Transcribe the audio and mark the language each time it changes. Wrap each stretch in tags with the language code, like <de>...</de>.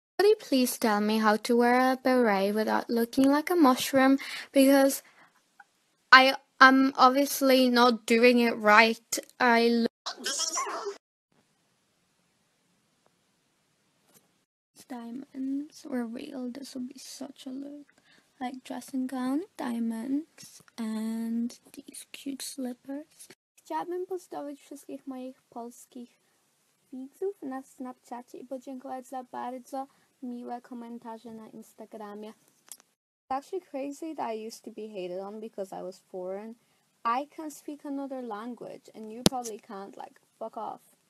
<en>Could you please tell me how to wear a beret without looking like a mushroom, because I am obviously not doing it right. I look... Diamonds were real, this would be such a look. Like dressing gown, diamonds, and these cute slippers.</en> <pl>Chciałabym pozdrowić wszystkich moich polskich widzów na Snapchacie I podziękować za bardzo miłe komentarze na Instagramie.</pl> <en>It's actually crazy that I used to be hated on because I was foreign. I can speak another language and you probably can't, like, fuck off.</en>